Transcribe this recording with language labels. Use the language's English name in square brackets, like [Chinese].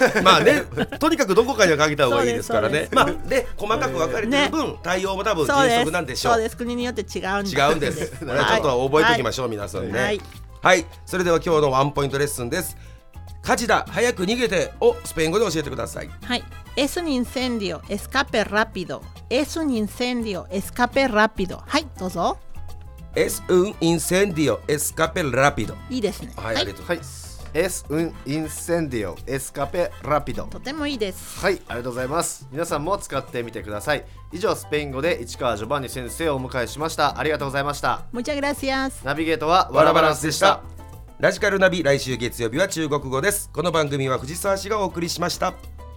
[Japanese] まあね、とにかくどこかにはかけた方がいいですからね。まあ、で、細かく分かれてる分、ね、対応も多分迅速なんでしょう。そうです、国によって違うんです。違うんです。ちょっと覚えておきましょう、はい、皆さんね。はい、はい、それでは今日のワンポイントレッスンです。火事だ、早く逃げてをスペイン語で教えてください。 [Spanish] はい、Es un incendio, escape rápido. Es un incendio, escape rápido. [Japanese] はい、どうぞ。 [Spanish] Es un incendio, escape rápido. [Japanese] いいですね。はい、ありがとうございます。 [Spanish] はい、Es un incendio, escape rápido. [Japanese] とてもいいです。はい、ありがとうございます。皆さんも使ってみてください。以上、スペイン語で市川ジョバンニ先生をお迎えしました。ありがとうございました。 [Spanish] Muchas gracias. [Japanese] ナビゲートはワラバランスでした。ラジカルナビ、来週月曜日は中国語です。この番組は藤沢市がお送りしました。